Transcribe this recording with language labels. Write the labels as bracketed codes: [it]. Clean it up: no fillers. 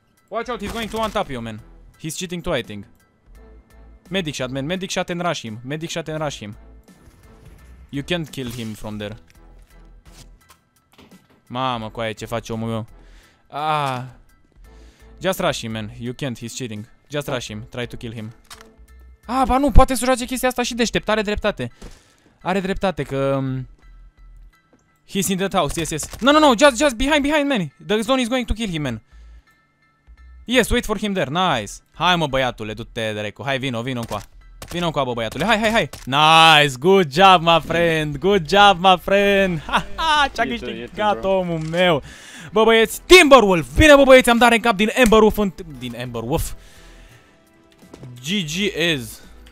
[en] Watch out, he's going to untap you, man. He's cheating too, I think. Medic shot and rush him. You can't kill him from there. [ro] Mamă, coaie, ce face omul meu? [en] Ah. Just rush him, man. You can't, he's cheating. Just rush him. Try to kill him. [ro] Ah, ba nu, poate să joace chestia asta și deștept. Are dreptate. Are dreptate că... [en] He's in the house, yes, yes. No, no, no, just behind, man. The zone is going to kill him, man. Yes, wait for him there, nice. [ro] Hai mă, băiatule, du-te, dracu. Hai, vino încoa. Vino încoa, bă, băiatule, hai. [en] Nice, good job, my friend. [ro] Ha, ha, ce-a câștigat omul meu. Bă, băieți, Timberwolf. Bine, bă, băieți, am dat rank up din Emberwolf în... Din Emberwolf. GGS.